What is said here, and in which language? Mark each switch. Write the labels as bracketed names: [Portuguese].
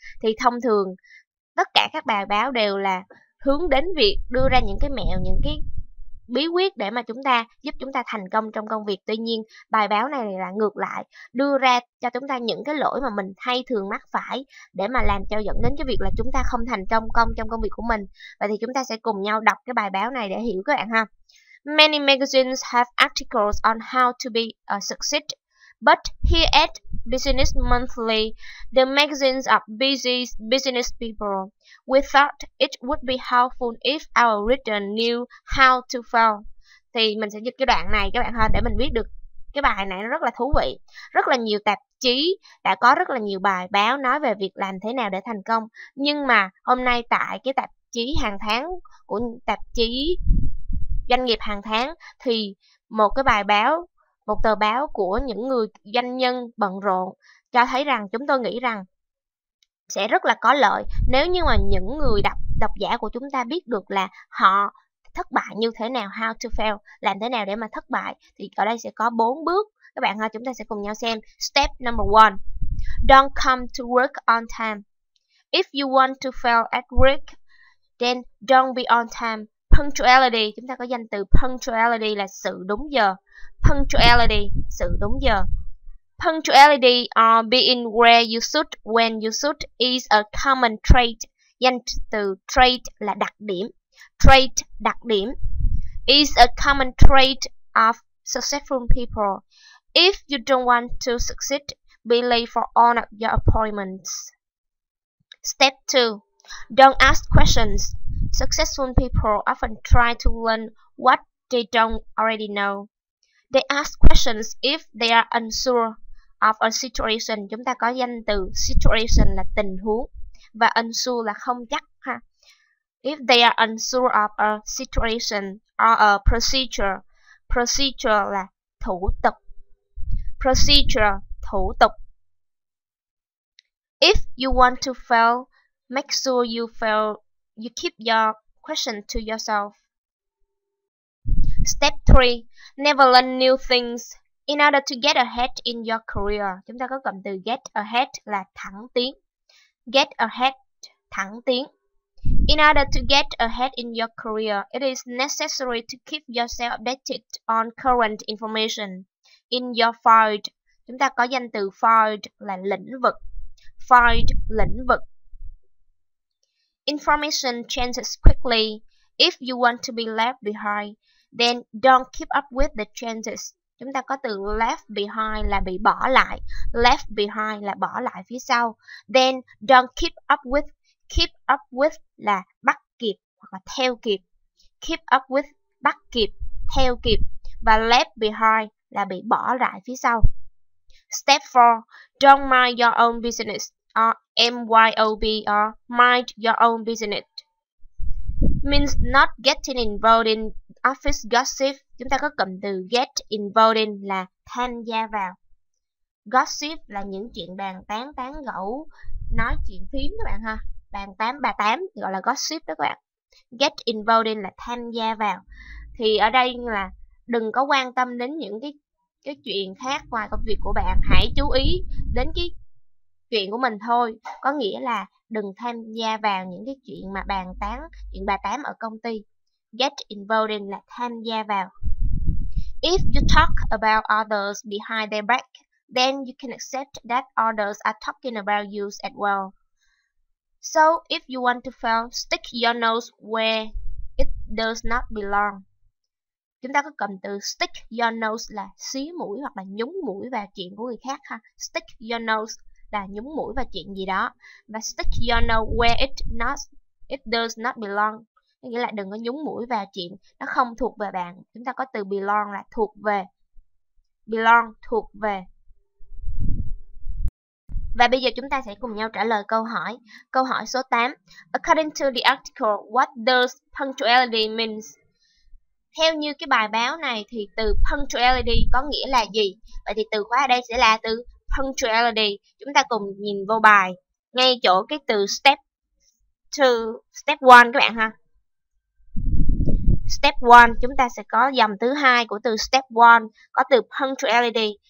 [Vietnamese] Thì thông thường tất cả các bài báo đều là hướng đến việc đưa ra những cái mẹo, những cái bí quyết để mà chúng ta giúp chúng ta thành công trong công việc. Tuy nhiên bài báo này là ngược lại, đưa ra cho chúng ta những cái lỗi mà mình hay thường mắc phải để mà làm cho dẫn đến cái việc là chúng ta không thành công trong công việc của mình. Vậy thì chúng ta sẽ cùng nhau đọc cái bài báo này để hiểu các bạn ha. [English] Many magazines have articles on how to be a success, but here at Business Monthly, the magazines are busy business people. We thought it would be helpful if our reader knew how to fail. [Vietnamese] Thì mình sẽ dịch cái đoạn này các bạn ha, để mình biết được cái bài này nó rất là thú vị. Rất là nhiều tạp chí đã có rất là nhiều bài báo nói về việc làm thế nào để thành công. Nhưng mà hôm nay tại cái tạp chí hàng tháng của tạp chí doanh nghiệp hàng tháng, thì một cái bài báo, một tờ báo của những người doanh nhân bận rộn cho thấy rằng chúng tôi nghĩ rằng sẽ rất là có lợi nếu như mà những người độc giả của chúng ta biết được là họ thất bại như thế nào, [English] how to fail, [Vietnamese] làm thế nào để mà thất bại. Thì ở đây sẽ có 4 bước các bạn ha, chúng ta sẽ cùng nhau xem. [English] Step number 1, don't come to work on time. If you want to fail at work, then don't be on time. Punctuality, [Vietnamese] chúng ta có danh từ punctuality là sự đúng giờ. Punctuality, sự đúng giờ. [English] Punctuality or being where you should when you should is a common trait. [Vietnamese] Danh từ trait là đặc điểm. Trait, đặc điểm. [English] Is a common trait of successful people. If you don't want to succeed, be late for all of your appointments. Step 2. Don't ask questions. Successful people often try to learn what they don't already know. They ask questions if they are unsure of a situation. [Vietnamese] Chúng ta có danh từ situation là tình huống, và unsure là không chắc ha. [English] If they are unsure of a situation or a procedure, [Vietnamese] procedure là thủ tục. Procedure, thủ tục. [English] If you want to fail, make sure you fail, you keep your question to yourself. Step 3. Never learn new things in order to get ahead in your career. [Vietnamese] Chúng ta có cụm từ get ahead là thẳng tiến. Get ahead, thẳng tiến. [English] In order to get ahead in your career, it is necessary to keep yourself updated on current information in your field. [Vietnamese] Chúng ta có danh từ field là lĩnh vực. Field, lĩnh vực. [English] Information changes quickly. If you want to be left behind, then don't keep up with the changes. [Vietnamese] Chúng ta có từ left behind là bị bỏ lại. Left behind là bỏ lại phía sau. [English] Then don't keep up with. [Vietnamese] Keep up with là bắt kịp hoặc là theo kịp. Keep up with, bắt kịp, theo kịp. Và left behind là bị bỏ lại phía sau. [English] Step 4. Don't mind your own business. MYOB or mind your own business. Means not getting involved in office gossip. [Vietnamese] Chúng ta có cụm từ get involved in là tham gia vào. Gossip là những chuyện bàn tán, tán gẫu, nói chuyện phím các bạn ha. Bàn tán, bà tám gọi là gossip đó các bạn. Get involved in là tham gia vào. Thì ở đây là đừng có quan tâm đến những cái chuyện khác ngoài công việc của bạn. Hãy chú ý đến cái chuyện của mình thôi. Có nghĩa là đừng tham gia vào những cái chuyện mà bàn tán, chuyện bà tám ở công ty. [English] Get involved in là tham gia vào. If you talk about others behind their back, then you can accept that others are talking about you as well. So if you want to fail, stick your nose where it does not belong. [Vietnamese] Chúng ta có cầm từ stick your nose là xí mũi hoặc là nhúng mũi vào chuyện của người khác ha. Stick your nose là nhúng mũi vào chuyện gì đó. Và stick your nose where it does not belong. Nghĩa là đừng có nhúng mũi vào chuyện nó không thuộc về bạn. Chúng ta có từ belong là thuộc về. Belong, thuộc về. Và bây giờ chúng ta sẽ cùng nhau trả lời câu hỏi. Câu hỏi số 8. [English] According to the article, what does punctuality mean? [Vietnamese] Theo như cái bài báo này thì từ punctuality có nghĩa là gì? Vậy thì từ khóa ở đây sẽ là từ punctuality. Chúng ta cùng nhìn vô bài. Ngay chỗ cái từ step 2, step 1 các bạn ha. Step 1, chúng ta sẽ có dòng thứ hai của từ step 1, có từ punctuality.